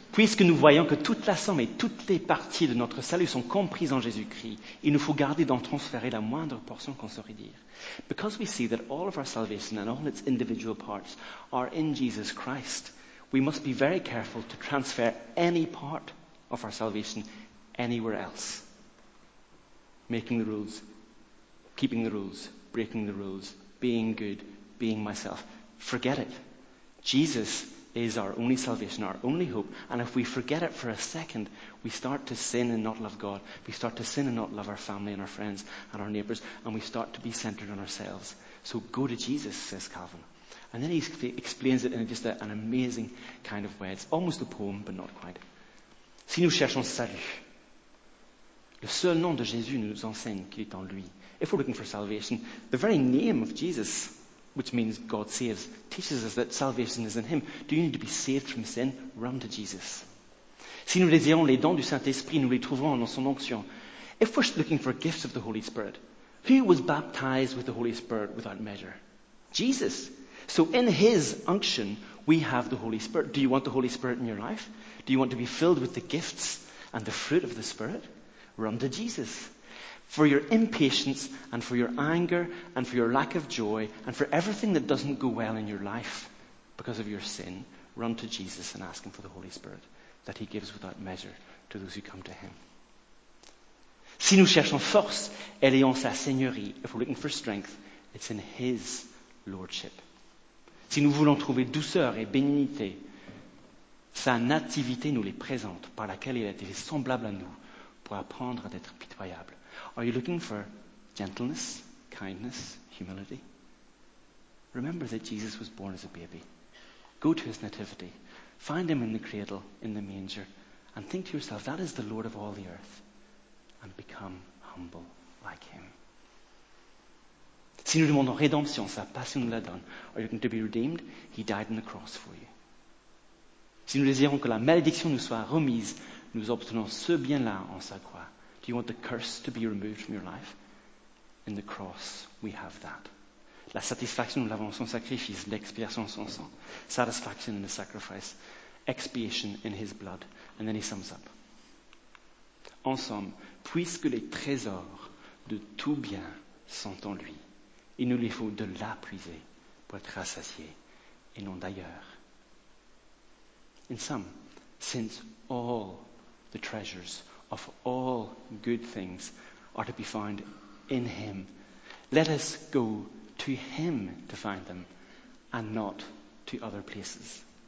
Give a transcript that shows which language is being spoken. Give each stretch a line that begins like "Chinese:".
French: Puisque nous voyons que toute la somme et toutes les parties de notre salut sont comprises en Jésus-Christ, il nous faut garder d'en transférer la moindre portion qu'on saurait dire.
English: Because we see that all of our salvation and all its individual parts are in Jesus Christ, we must be very careful to transfer any part of our salvation anywhere else. Making the rules, keeping the rules, breaking the rules, being good, being myself. Forget it. Jesus is our only salvation, our only hope. And if we forget it for a second, we start to sin and not love God. We start to sin and not love our family and our friends and our neighbors. And we start to be centered on ourselves. So go to Jesus, says Calvin. And then he explains it in just an amazing kind of way. It's almost a poem, but not quite.
French: Si nous cherchons salut, le seul nom de Jésus nous enseigne qu'il est en lui.
English: If we're looking for salvation, the very name of Jesus, which means God saves, teaches us that salvation is in him. Do you need to be saved from sin? Run to Jesus.
French: Si nous désirons les dons du Saint-Esprit, nous les trouverons dans son onction.
English: If we're looking for gifts of the Holy Spirit, who was baptized with the Holy Spirit without measure? Jesus. So in his unction, we have the Holy Spirit. Do you want the Holy Spirit in your life? Do you want to be filled with the gifts and the fruit of the Spirit? Run to Jesus. For your impatience and for your anger and for your lack of joy and for everything that doesn't go well in your life because of your sin, run to Jesus and ask him for the Holy Spirit that he gives without measure to those who come to him.
French: Si nous cherchons force, elle est en sa seigneurie.
English: If we're looking for strength, it's in his lordship.
French: Si nous voulons trouver douceur et bénignité, sa nativité nous les présente, par laquelle il a été semblable à nous pour apprendre d'être pitoyable.
English: Are you looking for gentleness, kindness, humility? Remember that Jesus was born as a baby. Go to his nativity. Find him in the cradle, in the manger, and think to yourself, that is the Lord of all the earth. And become humble like him.
French: Si nous demandons rédemption, sa passion nous la donne.
English: Are you going to be redeemed? He died on the cross for you.
French: Si nous désirons que la malédiction nous soit remise, nous obtenons ce bien-là en sa croix.
English: Do you want the curse to be removed from your life? In the cross, we have that.
French: La satisfaction, nous l'avons en son sacrifice, l'expiation en son sang.
English: Satisfaction in the sacrifice, expiation in his blood. And then he sums up.
French: En somme, puisque les trésors de tout bien sont en lui, il nous lui faut de là puiser pour être rassasié, et non d'ailleurs.
English: In sum, since all the treasures of all good things are to be found in him, let us go to him to find them, and not to other places.